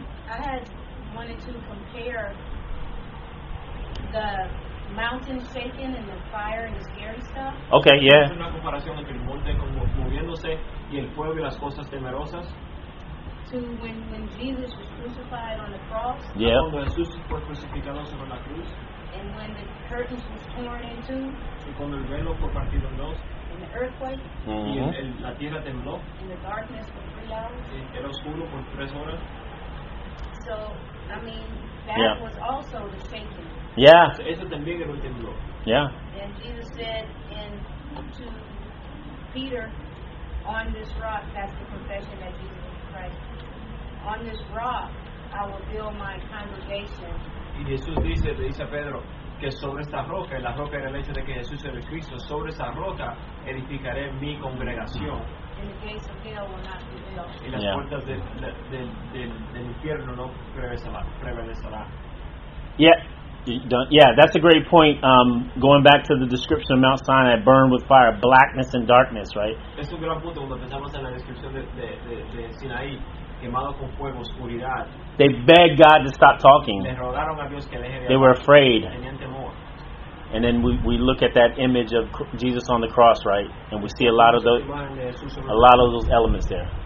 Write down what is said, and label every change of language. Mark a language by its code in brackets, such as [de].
[en] I had wanted to compare the mountain shaking and the fire and the scary stuff. Okay, yeah. [es] Una comparación entre el monte moviéndose y el fuego y las cosas temerosas. [en] To when Jesus was crucified on the cross. Yeah. [es] Cuando Jesús fue crucificado sobre la cruz. [en] And when the curtains was torn in two. [es] Y cuando el velo fue partido en dos. [en] And the earthquake. [es] Y la tierra tembló. [en] In the darkness for 3 hours. [es] Y era oscuro por 3 horas. [en] So, I mean, that was also the shaking. Yeah. [es] Eso también era un temblor. [en] Yeah. And Jesus said in to Peter, on this rock, that's the confession that Jesus Christ. On this rock, I will build my congregation. [es] Y Jesús dice a Pedro que sobre esta roca, y la roca era el hecho de que Jesús era el Cristo. Sobre esa roca edificaré mi congregación. [en] And the gates of hell will not prevail. [es] Y las puertas del infierno no prevalecerán. [en] Yeah. That's a great point. Going back to the description of Mount Sinai, burned with fire, blackness and darkness, right? [es] Es un gran punto cuando pensamos en la descripción de Sinaí, quemado con fuego, oscuridad. [en] They begged God to stop talking. [es] Le rogaron a Dios que le dejara. [en] They were afraid. [es] Tenían temor. [en] And then we look at that image of Jesus on the cross, right? And we see a lot of those elements there.